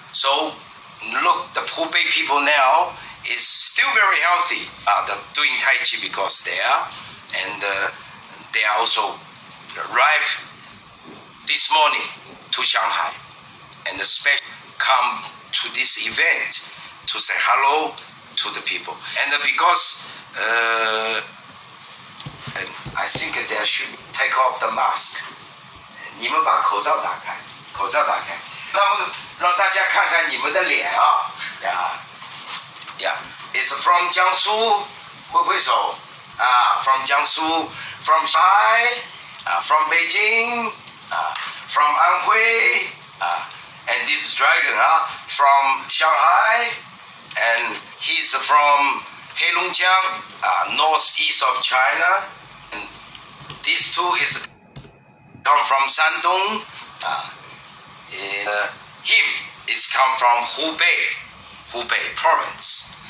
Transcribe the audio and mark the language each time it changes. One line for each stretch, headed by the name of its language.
English: So look, the Hubei people now is still very healthy, doing Tai Chi because they are, and they are also arrived this morning to Shanghai, and especially come to this event to say hello to the people. And because, and I think they should take off the mask.
Chinese: 你们把口罩打开，口罩打开，让大家看看你们的脸啊。
English: Yeah, it's from Jiangsu,
Chinese: 挥挥手啊
English: from Jiangsu, from Shanghai, from Beijing, from Anhui, and this dragon, from Shanghai, and he's from Heilongjiang, northeast of China, and these two is come from Shandong, him is come from Hubei province.